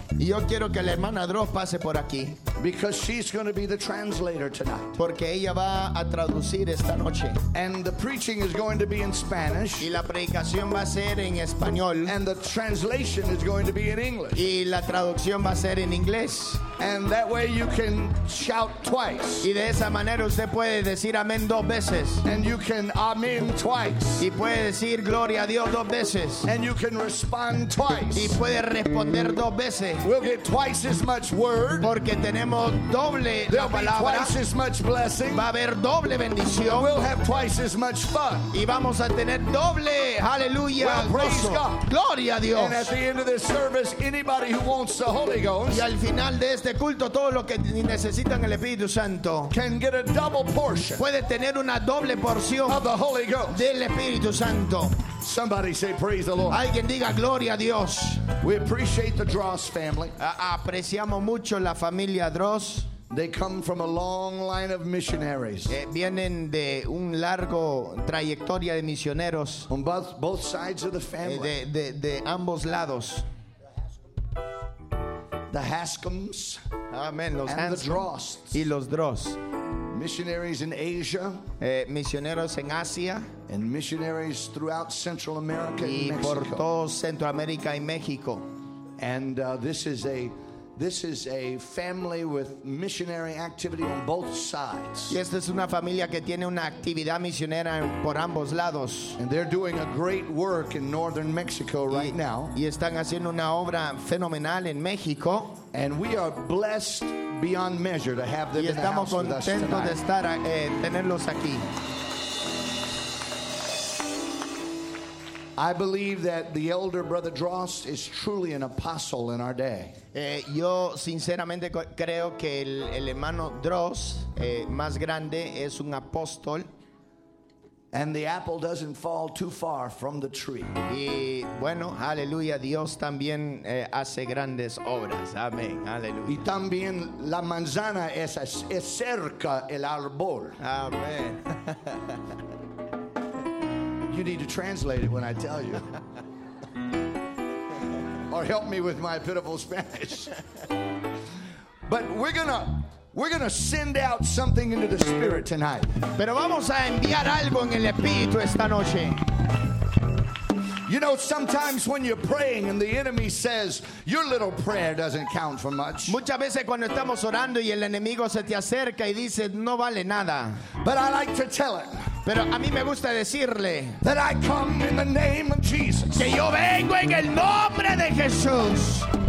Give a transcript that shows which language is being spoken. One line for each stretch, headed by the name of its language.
Spanish: Yo quiero que la hermana Dross pase por aquí.
English: Because she's going to be the translator tonight.
Spanish: Porque ella va a traducir esta noche.
English: And the preaching is going to be in Spanish.
Spanish: Y la predicación va a ser en español.
English: And the translation is going to be in English.
Spanish: Y la traducción va a ser en inglés.
English: And that way you can shout twice.
Spanish: Y de esa manera usted puede decir amén dos veces.
English: And you can amen twice.
Spanish: Y puede decir gloria a Dios dos veces.
English: And you can respond twice.
Spanish: Y puede responder dos veces.
English: We'll get twice as much word.
Spanish: Porque tenemos doble
English: There'll
Spanish: la palabra.
English: Be twice as much blessing.
Spanish: Va a haber doble bendición.
English: We'll have twice as much fun.
Spanish: Y vamos a tener doble aleluya.
English: Well, praise God.
Spanish: Gloria a Dios.
English: And at the end of this service, anybody who wants the Holy Ghost.
Spanish: Y al final de este culto, todos los que necesitan el Espíritu Santo
English: can get a double portion
Spanish: puede tener una doble porción
English: of the Holy Ghost.
Spanish: Del Espíritu Santo.
English: Somebody say praise the Lord.
Spanish: Alguien diga gloria a Dios.
English: We appreciate the Dross family.
Spanish: Apreciamos mucho la familia Dross.
English: They come from a long line of missionaries.
Spanish: Vienen de un largo trayectoria de misioneros.
English: On both sides of the family.
Spanish: De ambos lados.
English: The Haskams,
Spanish: amen. Los
English: and Hanscom, the Dross,
Spanish: y los Dross,
English: missionaries in Asia,
Spanish: misioneros en Asia,
English: and missionaries throughout Central America
Spanish: y
English: and Mexico.
Spanish: Por todo Centroamérica y México.
English: And this is a family with missionary activity on both sides.
Spanish: Y esta es una familia que tiene una actividad misionera por ambos lados.
English: And they're doing a great work in northern Mexico right now.
Spanish: Y están haciendo una obra fenomenal en México.
English: And we are blessed beyond measure to have them in the house with us tonight.
Spanish: Y estamos contentos de estar tenerlos aquí.
English: I believe that the elder brother Dross is truly an apostle in our day.
Spanish: Yo sinceramente creo que el hermano Dross, más grande, es un apóstol.
English: And the apple doesn't fall too far from the tree.
Spanish: Y bueno, aleluya, Dios también hace grandes obras. Amén, aleluya. Y también la manzana es cerca el árbol. Amén.
English: You need to translate it when I tell you. Or help me with my pitiful Spanish. But we're gonna send out something into the spirit tonight.
Spanish: Pero vamos a enviar algo en el espíritu esta noche.
English: You know, sometimes when you're praying and the enemy says your little prayer doesn't count for much.
Spanish: Muchas veces cuando estamos orando y el enemigo se te acerca y dice no vale nada.
English: But I like to tell it.
Spanish: Pero a mí me gusta decirle
English: that I come in the name of Jesus.
Spanish: Que yo vengo en el nombre de Jesús.